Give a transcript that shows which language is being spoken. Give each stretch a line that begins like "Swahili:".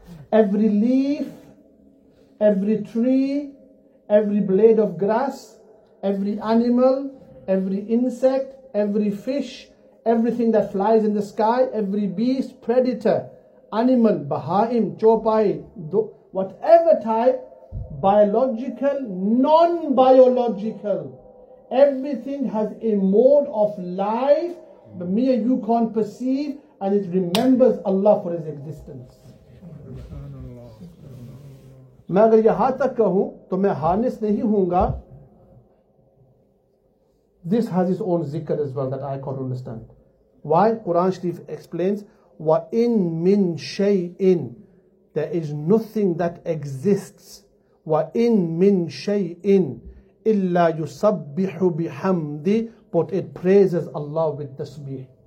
English: Every leaf, every tree, every blade of grass, every animal, every insect, every fish, everything that flies in the sky, every beast, predator, animal, baha'im, chopai, whatever type, biological, non-biological, everything has a mode of life that me and you can't perceive, and it remembers Allah for His existence.
Urdu: میں اگر یہاں تک کہوں تو میں horns نہیں ہوں گا.
English: This has its own zikr as well that I can't understand. Why? Quran Sharif explains, wa in min shay'in, there is nothing that exists,
Arabic: wa in min shay'in illa yusabbihu bihamdi,
English: but it praises Allah with tasbih.